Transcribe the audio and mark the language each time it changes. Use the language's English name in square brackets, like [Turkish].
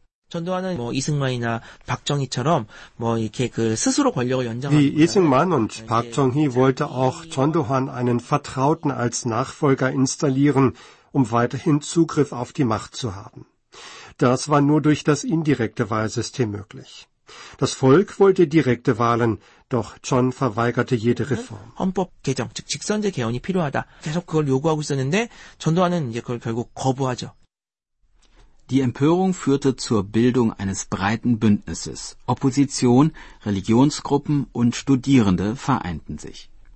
[German] Wie Isingman und Park Chung-hee wollte auch John Duhan einen Vertrauten als Nachfolger installieren, um weiterhin Zugriff auf die Macht zu haben. Das war nur durch das indirekte Wahlsystem möglich. Das Volk wollte direkte Wahlen, doch John verweigerte jede Reform. [Korean] 헌법 개정, 즉 직선제 개헌이 필요하다. 계속 그걸 요구하고 있었는데 전두환은 이제 그걸 결국 거부하죠. [German] Die Empörung führte zur Bildung eines breiten Bündnisses. Opposition, Religionsgruppen und Studierende vereinten sich.